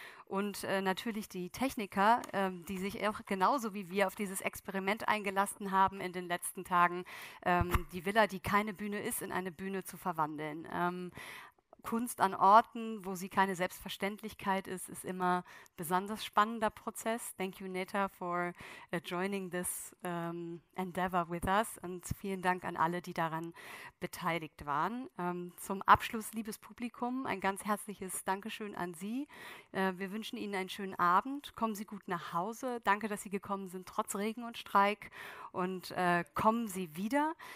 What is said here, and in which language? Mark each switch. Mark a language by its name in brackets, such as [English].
[German] Und natürlich die Techniker, die sich auch genauso wie wir auf dieses Experiment eingelassen haben in den letzten Tagen, die Villa, die keine Bühne ist, in eine Bühne zu verwandeln. Kunst an Orten, wo sie keine Selbstverständlichkeit ist, ist immer ein besonders spannender Prozess. [English] Thank you, Neta, for joining this endeavor with us. [German] Und vielen Dank an alle, die daran beteiligt waren. Zum Abschluss, liebes Publikum, ein ganz herzliches Dankeschön an Sie. Wir wünschen Ihnen einen schönen Abend. Kommen Sie gut nach Hause. Danke, dass Sie gekommen sind, trotz Regen und Streik. Und kommen Sie wieder.